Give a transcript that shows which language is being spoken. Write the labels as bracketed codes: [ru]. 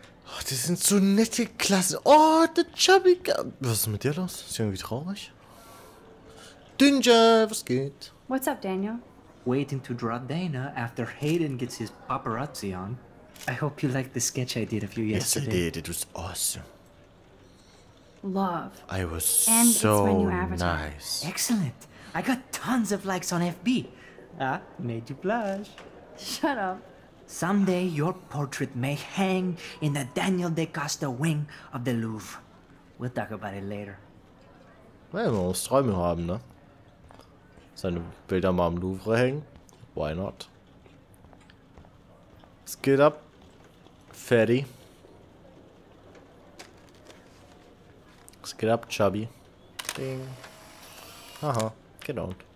[de] Oh, die sind so nette Klasse. Oh, der Chubby. Was ist mit dir los? Ist sie irgendwie traurig? Dinger, was geht? [en] What's up, Daniel? Waiting to draw Dana after Hayden gets his paparazzi on. I hope you liked the sketch I did of you yesterday. Yes, I did. It was awesome. Love. I was and so nice. Excellent. I got tons of likes on FB. Ah, made you blush. Shut up. Someday your portrait may hang in the Daniel de Costa wing of the Louvre. We'll talk about it later. [de] Ja, man muss Träume haben, ne? Seine Bilder mal im Louvre hängen. [en] Why not? [de] Was geht ab, Fatty? Was geht ab, Chubby? Ding. Aha, genau.